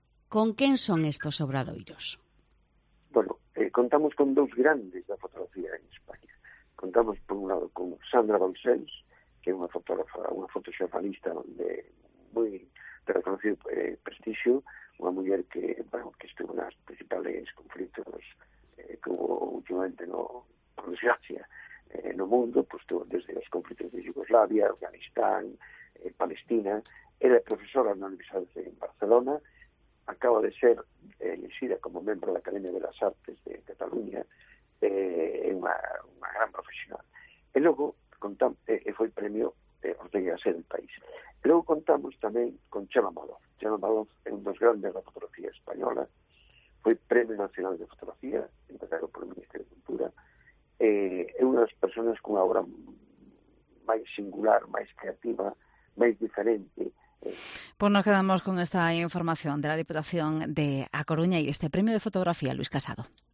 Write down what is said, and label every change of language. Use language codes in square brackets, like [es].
[gl] ¿Con quen son estos obradoiros? Bueno, contamos con dous grandes da fotografía en España. Contamos, por un lado, con Sandra Balcells, que é unha fotógrafa, unha fotoxornalista de moi reconocido prestixio, unha muller que, bueno, que estuvo nas principales conflitos que hubo últimamente, no, por desgracia, no mundo, pues, desde os conflitos de Yugoslavia, Afganistán, Palestina. Era profesora na Universidade de Barcelona, acaba de ser elixida como membro da Academia de las Artes de Cataluña, unha gran profesional. E logo foi premio Ortega y Gasset del país. E logo contamos tamén con Chema Maloz. Chema Maloz é un dos grandes da fotografía española, [es] fue Premio Nacional de Fotografía, entregado por el Ministerio de Cultura. Es una de las personas con una obra más singular, más creativa, más diferente. Pues nos quedamos con esta información de la Diputación de A Coruña y este premio de fotografía, Luis Casado.